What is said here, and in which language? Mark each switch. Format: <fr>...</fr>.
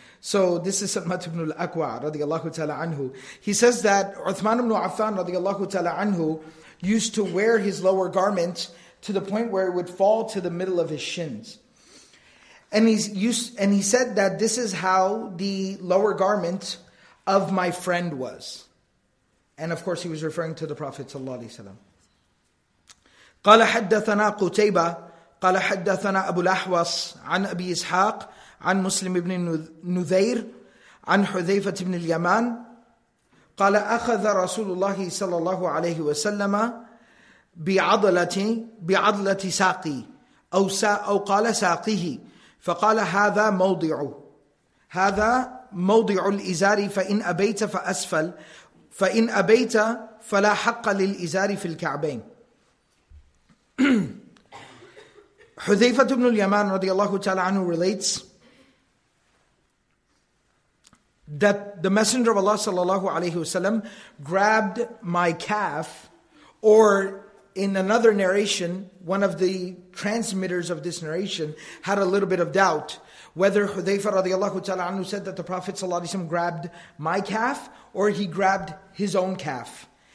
<en>So this is Salmat ibn al-Aqwa radiallahu ta'ala anhu. He says that Uthman ibn Affan radiallahu ta'ala anhu used to wear his lower garment to the point where it would fall to the middle of his shins. And he said that this is how the lower garment of my friend was. And of course he was referring to the Prophet sallallahu alaihi wasallam.</en> <ar>قال حدثنا قتيبة قال حدثنا أبو الأحوص عن أبي إسحاق عن مسلم بن نذير عن حذيفة بن اليمان قال أخذ رسول الله صلى الله عليه وسلم بعضلة ساقي أو قال ساقه فقال هذا موضع الإزار فإن أبيت فلا حق للإزار في الكعبين.</ar> <en>حذيفة بن اليمان</en> <ar>رضي الله تعالى عنه</ar> <en>relates that the Messenger of Allah sallallahu alayhi wasallam grabbed my calf, or in another narration, one of the transmitters of this narration had a little bit of doubt whether Hudhayfa radiallahu ta'ala anhu said that the Prophet sallallahu alayhi wasallam grabbed my calf or he grabbed his own calf.</en>